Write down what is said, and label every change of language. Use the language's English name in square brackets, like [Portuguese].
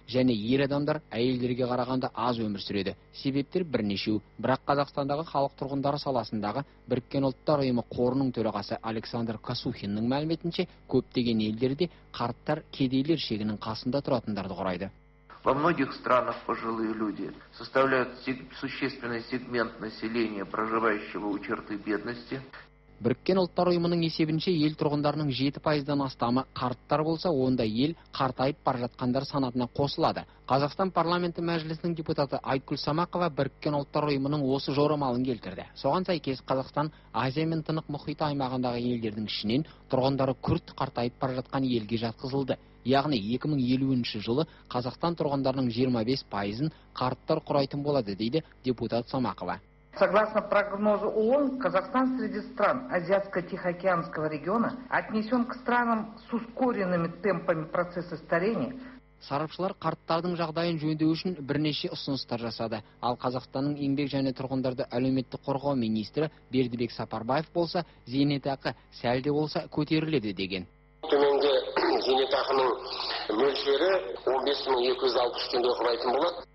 [Kazakh] Және ер адамдар әйелдерге қарағанда аз өмір сүреді. Себептер бірнешеу, бірақ Қазақстандағы халық тұрғындары саласындағы Біріккен ұлттар ұйымы қорының төрағасы Александр Касухиннің мәліметінше, көптеген елдерде қарттар кедейлер шегінің қасында тұратындарды құрайды. [Russian] Во многих странах пожилые люди составляют существенный сегмент населения, проживающего у черты бедности. [Kazakh] Біріккен ұлттар ұйымының есебінше ел тұрғындарының 7%-дан астамы қарттар болса, онда ел қартайып бара жатқандар санатына қосылады. Қазақстан парламенті мәжілісінің депутаты Айткүл Самақова Біріккен ұлттар ұйымының осы жорамалын келтірді. Соған сәйкес Қазақстан Азия мен Тынық мұхит аймағындағы елдердің ішінен тұрғындары күрт қартайып бара жатқан елге жатқызылды. яғни 2050 жылы Қазақстан тұрғындарының 25% қарттар құрайтын болады, дейді депутат Самақова. [Russian] Согласно прогнозу ООН, Казахстан среди стран Азиатско-Тихоокеанского региона отнесен к странам с ускоренными темпами процесса старения. [Kazakh] Сарапшылар қарттардың жағдайын жөндеу үшін бірнеше ұсыныстар жасады. Ал Қазақстанның еңбек және тұрғындарды әлеуметтік қорғау министрі Бердібек Сапарбаев болса, зейнетақы сәлде болса көтеріледі деген. Төменгі зейнетақының мөлшері 15260 теңге құрайтын болады.